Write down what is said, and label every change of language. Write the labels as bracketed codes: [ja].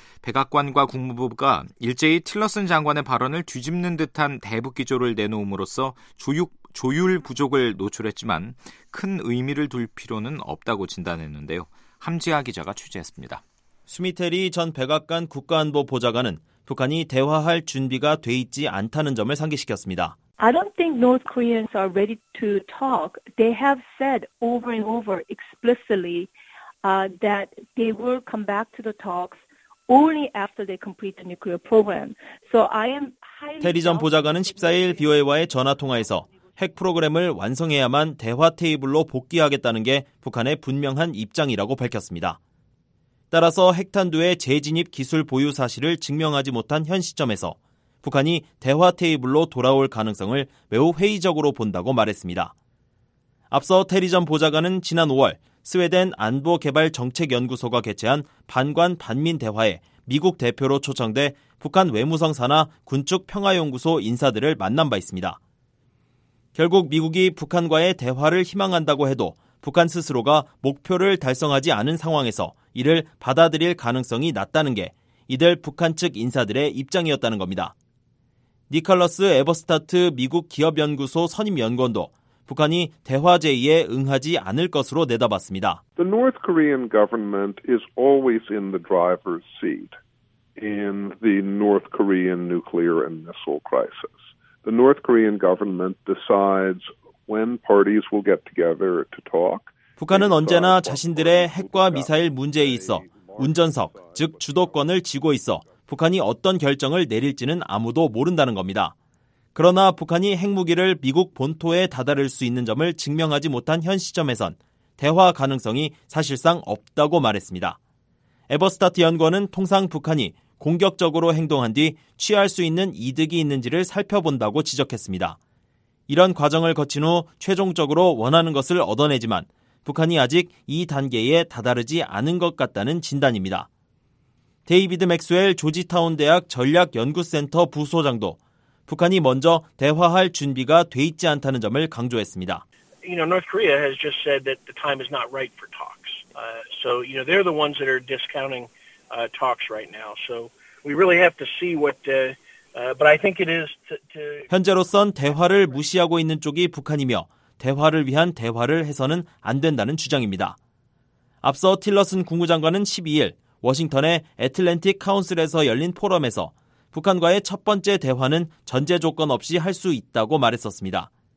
[ko] 백악관과 국무부가 일제히 틸러슨 장관의 발언을 뒤집는 듯한 대북 기조를 내놓음으로써 조율 부족을 노출했지만 큰 의미를 둘 필요는 없다고 진단했는데요. 함지아 기자가 취재했습니다. 스미테리 전 백악관 국가안보보좌관은 북한이 대화할 준비가 돼 있지 않다는 점을 상기시켰습니다. [en] I don't think North Koreans are ready to talk. They have said over and over explicitly that they will come back to the talks only after they complete the nuclear program. So I am highly. [ko] 테리 전 보좌관은 14일 BOA와의 전화 통화에서 핵 프로그램을 완성해야만 대화 테이블로 복귀하겠다는 게 북한의 분명한 입장이라고 밝혔습니다. 따라서 핵탄두의 재진입 기술 보유 사실을 증명하지 못한 현 시점에서 북한이 대화 테이블로 돌아올 가능성을 매우 회의적으로 본다고 말했습니다. 앞서 테리 전 보좌관은 지난 5월 스웨덴 안보개발정책연구소가 개최한 반관 반민 대화에 미국 대표로 초청돼 북한 외무성 산하 군축평화연구소 인사들을 만난 바 있습니다. 결국 미국이 북한과의 대화를 희망한다고 해도 북한 스스로가 목표를 달성하지 않은 상황에서 이를 받아들일 가능성이 낮다는 게 이들 북한 측 인사들의 입장이었다는 겁니다. 니컬러스 에버스타트 미국 기업연구소 선임연구원도 북한이 대화 제의에 응하지 않을 것으로 내다봤습니다. [en] The North Korean government is always in the driver's seat in the North Korean nuclear and missile crisis. The North Korean government decides when parties will get together to talk. [ko] 북한은 언제나 자신들의 핵과 미사일 문제에 있어 운전석, 즉 주도권을 쥐고 있어 북한이 어떤 결정을 내릴지는 아무도 모른다는 겁니다. 그러나 북한이 핵무기를 미국 본토에 다다를 수 있는 점을 증명하지 못한 현 시점에선 대화 가능성이 사실상 없다고 말했습니다. 에버스타트 연구원은 통상 북한이 공격적으로 행동한 뒤 취할 수 있는 이득이 있는지를 살펴본다고 지적했습니다. 이런 과정을 거친 후 최종적으로 원하는 것을 얻어내지만 북한이 아직 이 단계에 다다르지 않은 것 같다는 진단입니다. 데이비드 맥스웰 조지타운 대학 전략연구센터 부소장도 북한이 먼저 대화할 준비가 돼 있지 않다는 점을 강조했습니다. [en] You know, North Korea has just said that the time is not right for talks. So, you know, they're the ones that are discounting talks right now. So, we really have to see what but I think it is to [ko] 현재로선 대화를 무시하고 있는 쪽이 북한이며 대화를 위한 대화를 해서는 안 된다는 주장입니다. 앞서 틸러슨 국무장관은 12일 워싱턴의 애틀랜틱 카운슬에서 열린 포럼에서 북한과의 첫 번째 대화는 전제 조건 없이 할 수 있다고 말했었습니다.